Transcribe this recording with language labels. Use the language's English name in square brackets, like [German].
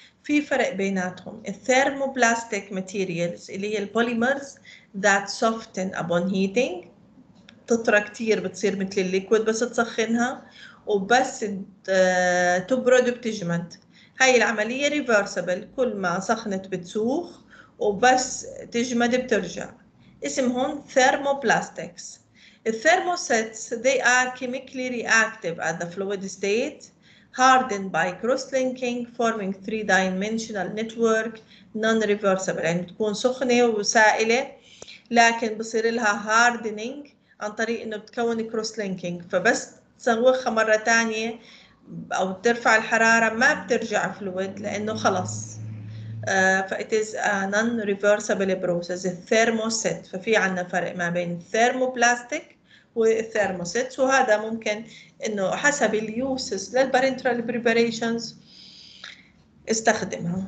[Arabic] في فرق بيناتهم. الثيرموبلاستيك ماتيريالز اللي هي البوليمرز ذات سوفتن ابون هيتينج، تطرى كثير بتصير مثل الليكويد بس تسخنها وبس تبرد بتجمد. هاي العمليه ريفرسبل، كل ما سخنت بتسوخ وبس تجمد بترجع، اسمهم ثيرموبلاستيكس. [English] الثيرموسيتس they are chemically reactive at the fluid state, hardened by cross-linking, forming three-dimensional network, non-reversible. يعني بتكون سخنة وسائلة لكن بصير لها hardening عن طريق إنه بتكون cross-linking، فبس تسوخها مرة تانية أو ترفع الحرارة ما بترجع fluid لأنه خلص. It is a non-reversible process. [Arabic] الثيرموسيت، ففي عنا فرق ما بين thermoplastic والثيرموسيتس، وهذا ممكن انه حسب اليوسز للبارنترال بريباريشنز استخدمها.